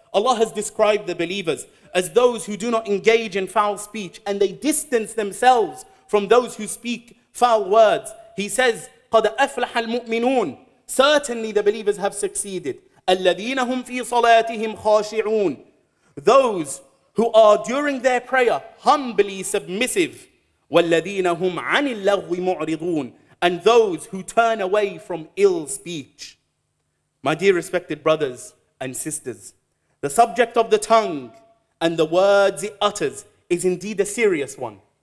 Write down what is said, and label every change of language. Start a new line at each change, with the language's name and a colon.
English: Allah has described the believers as those who do not engage in foul speech, and they distance themselves from those who speak foul words. He says,
Arabic: قَدْ أَفْلَحَ الْمُؤْمِنُونَ.
English: Certainly the believers have succeeded.
Arabic: الَّذِينَ هُمْ فِي صَلَاتِهِمْ خَاشِعُونَ.
English: Those who are during their prayer humbly submissive.
Arabic: وَالَّذِينَ هُمْ عَنِ اللَّغْوِ مُعْرِضُونَ.
English: And those who turn away from ill speech. My dear respected brothers and sisters, the subject of the tongue and the words it utters is indeed a serious one.